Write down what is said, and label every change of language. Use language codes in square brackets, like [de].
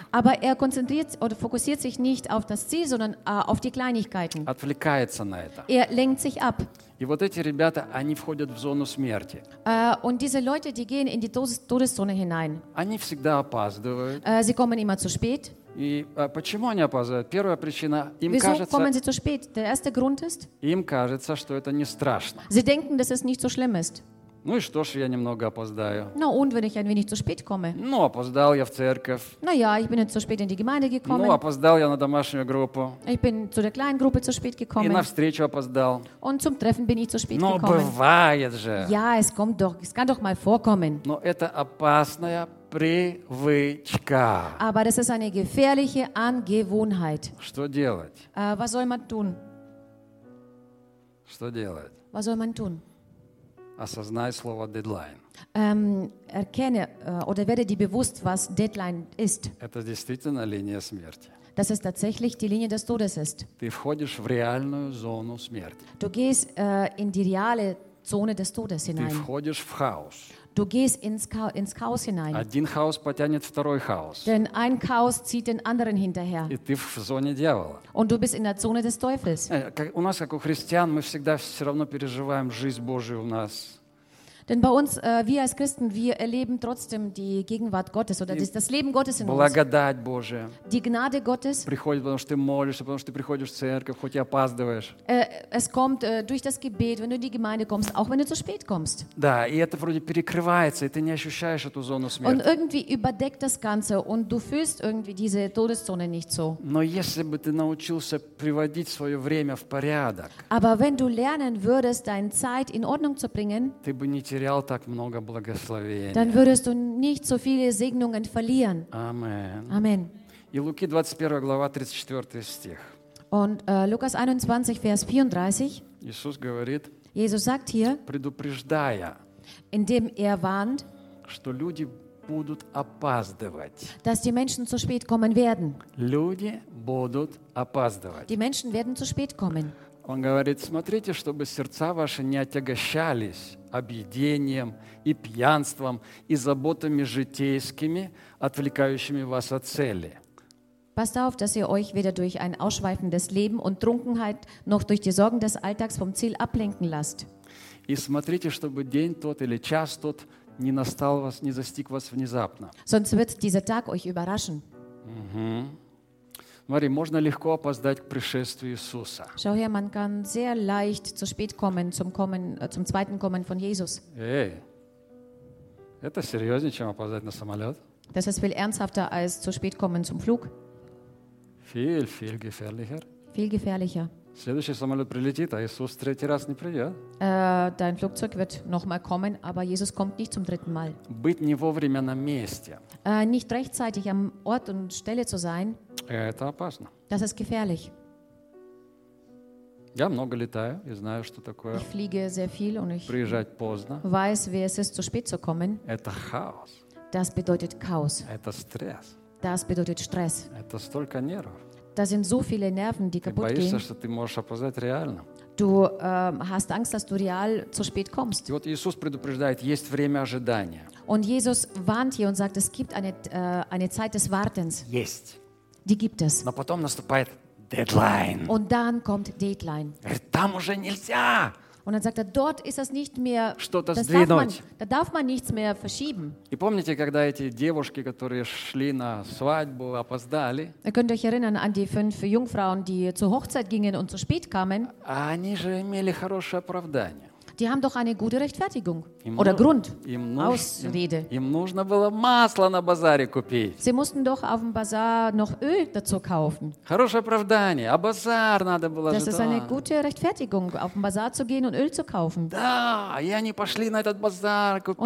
[de] Aber er konzentriert oder fokussiert sich nicht auf das Ziel, sondern auf die Kleinigkeiten. [ru] Отвлекается на это. [de] Er lenkt sich ab. [ru] И вот эти ребята, они входят в зону смерти. [de] Und diese Leute, die gehen in die Todeszone hinein. [ru] Они всегда опаздывают. [de] Sie kommen immer zu spät. [ru] И почему они опаздывают? Первая причина, им [de] Wieso [ru] кажется, [de] kommen sie zu spät? Der erste Grund ist, [ru] им кажется, что это не страшно. [de] Sie denken, dass es nicht so schlimm ist. [ru] Ну и что ж, я немного опоздаю. [de] No, und wenn ich ein wenig zu spät komme. [ru] Ну, опоздал я в церковь. [de] No, ja, ich bin zu spät in die Gemeinde gekommen. [ru] Ну, опоздал я на домашнюю группу. [de] Ich bin zu der kleinen Gruppe zu spät gekommen. [ru] И на встречу опоздал. [de] Und zum Treffen bin ich zu spät [ru] Но [de] gekommen. [ru] Но бывает же. [de] Ja, es kommt doch, es kann doch mal vorkommen. [ru] Но это опасная привычка. [de] Aber das ist eine gefährliche Angewohnheit. [ru] Что делать? [de] Was soll man tun? [ru] Что делать? [de] Was soll man tun? [ru] Осознай слово deadline. [de] Erkenne oder werde dir bewusst, was deadline ist. [ru] Это действительно линия смерти. [de] Das ist tatsächlich die Linie des Todes ist. [ru] Ты входишь в реальную зону смерти. [de] Du gehst in die reale Zone des Todes hinein. [ru] Ты входишь в хаос. [de] Du gehst ins Chaos hinein. [ru] Один хаос потянет второй хаос. [de] Denn ein Chaos zieht den anderen hinterher. [ru] И ты в зоне дьявола. [de] Und du bist in der Zone des Teufels. [ru] У нас, как у христиан, мы всегда все равно переживаем жизнь Божию в нас. [de] Denn bei uns, wir als Christen, wir erleben trotzdem die Gegenwart Gottes oder das Leben Gottes in [ru] Благодать Божия. [de] Die Gnade Gottes. [ru] Приходит, потому что ты молишься, потому что ты приходишь в церковь, хоть и опаздываешь. [de] Es kommt durch das Gebet, wenn du in die Gemeinde kommst, auch wenn du zu spät kommst. [ru] Да, и это вроде перекрывается, и ты не ощущаешь эту зону смерти. [de] Und irgendwie überdeckt das Ganze und du fühlst irgendwie diese Todeszone nicht so. [ru] Но если бы ты научился приводить свое время в порядок. [de] Aber wenn du lernen würdest, deine Zeit in Ordnung zu bringen. [ru] Ты бы не терял так много благословений. [de] Dann würdest du nicht so viele Segnungen verlieren. Amen. Amen. [ru] И Луки 21 глава 34 стих. [de] Und Lukas 21 Vers 34. [ru] Иисус говорит. [de] Jesus sagt hier. [ru] Предупреждая. [de] Indem er warnt. [ru] Что люди будут опаздывать. [de] Dass die Menschen zu spät kommen werden. [ru] Люди будут опаздывать. [de] Die Menschen werden zu spät kommen. [ru] Он говорит, смотрите, чтобы сердца ваши не отягощались объедением и пьянством и заботами житейскими, отвлекающими вас от цели. [de] Passt auf, dass ihr euch weder durch ein ausschweifendes Leben und Trunkenheit noch durch die Sorgen des Alltags vom Ziel ablenken lasst. [ru] И смотрите, чтобы день тот или час тот не настал вас, не застиг вас внезапно. [de] Sonst wird dieser Tag euch überraschen. [ru] Смотри, можно легко опоздать к пришествию Иисуса. [de] Schau her, man kann sehr leicht zu spät kommen zum zweiten Kommen von Jesus. [ru] Эй, это серьезнее, чем опоздать на самолет? [de] Das ist viel ernsthafter als zu spät kommen zum Flug. Viel, viel gefährlicher. Viel gefährlicher. [ru] Следующий самолет прилетит, а Иисус третий раз не придет. [de] Dein Flugzeug wird nochmal kommen, aber Jesus kommt nicht zum dritten Mal. [ru] Быть не вовремя на месте. [de] Nicht rechtzeitig am Ort und Stelle zu sein. [ru] Это опасно. [de] Das ist gefährlich. [ru] Я много летаю и знаю, что такое. [de] Ich fliege sehr viel und ich [ru] приезжать поздно. [de] Weiß, wie es ist, zu spät zu kommen. [ru] Это хаос. [de] Das bedeutet Chaos. [ru] Это стресс. [de] Das bedeutet Stress. [ru] Это столько нервов. [de] Da sind so viele Nerven, die [ru] ты [de] kaputt [ru] боишься, [de] gehen. [ru] Что ты можешь опоздать реально. [de] Du hast Angst, dass du real zu spät kommst. [ru] И вот Иисус предупреждает, есть время ожидания. [de] Und Jesus warnt hier und sagt, es gibt eine Zeit des Wartens. [ru] Есть. [de] Die gibt es. [ru] Но потом наступает deadline. [de] Und dann kommt deadline. [ru] Там уже нельзя. [de] Und dann sagt er, dort ist das nicht mehr. [ru] Что-то [de] das [ru] сдвинуть. [de] Darf man, da darf man nichts mehr verschieben. [ru] И помните, когда эти девушки, которые шли на свадьбу, опоздали? [de] Ihr könnt euch erinnern an die fünf Jungfrauen, die zur Hochzeit gingen und zu spät kamen. [ru] Они же имели хорошее оправдание. [de] Die haben doch eine gute Rechtfertigung oder Grund, Ausrede. [ru] Им нужно было масло на базаре купить. [de] Sie mussten doch auf dem Bazar noch Öl dazu kaufen. [ru] Хорошее оправдание. А базар надо было. [de] Das ist eine gute Rechtfertigung, auf den Bazar zu gehen und Öl zu kaufen. [ru] Да, и они пошли на этот базар, купили масло.